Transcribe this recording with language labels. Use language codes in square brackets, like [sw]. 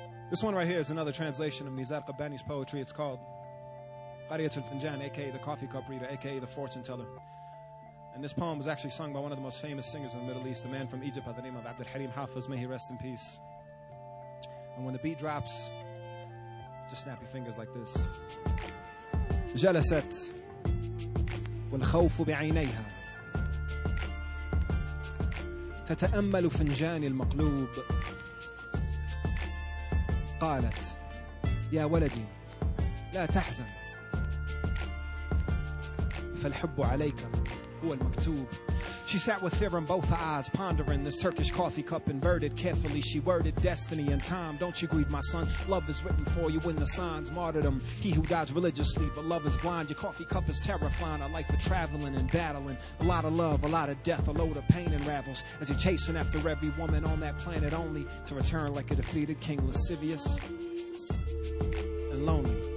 [en] This one right here is another translation of Nizar Qabbani's poetry. It's called Qariyat al-Finjan, a.k.a. the coffee cup reader, a.k.a. the fortune teller. And this poem was actually sung by one of the most famous singers in the Middle East, a man from Egypt by the name of Abdul Halim Hafiz. May he rest in peace. And when the beat drops, just snap your fingers like this. [ar] جلست والخوف بعينيها تتأمل فنجاني المقلوب قالت يا ولدي لا تحزن فالحب عليك هو المكتوب. [en] She sat with fear in both her eyes, pondering this Turkish coffee cup inverted. Carefully she worded destiny and time. Don't you grieve, my son. Love is written for you in the signs. Martyrdom, he who dies religiously, but love is blind. Your coffee cup is terrifying. A life of traveling and battling. A lot of love, a lot of death, a load of pain unravels as you're chasing after every woman on that planet, only to return like a defeated king, lascivious and lonely.